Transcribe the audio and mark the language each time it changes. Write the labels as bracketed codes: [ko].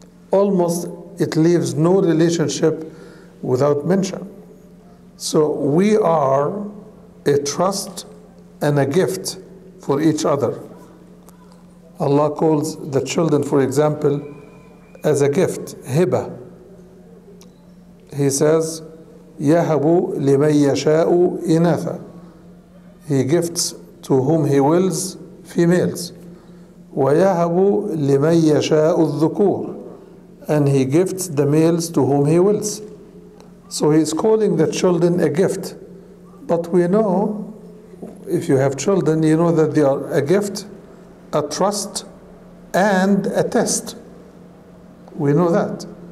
[en] Almost it leaves no relationship without mention. So we are a trust and a gift for each other. Allah calls the children, for example, as a gift, hiba. [ar] He says, يَهَبُ لِمَنْ يَشَاءُ إِنَاثَ. [en] He gifts to whom he wills females. [ar] وَيَهَبُ لِمَنْ يَشَاءُ الذُّكُورُ. [en] And he gifts the males to whom he wills. So he's calling the children a gift. But we know, if you have children, you know that they are a gift, a trust, and a test. We know that.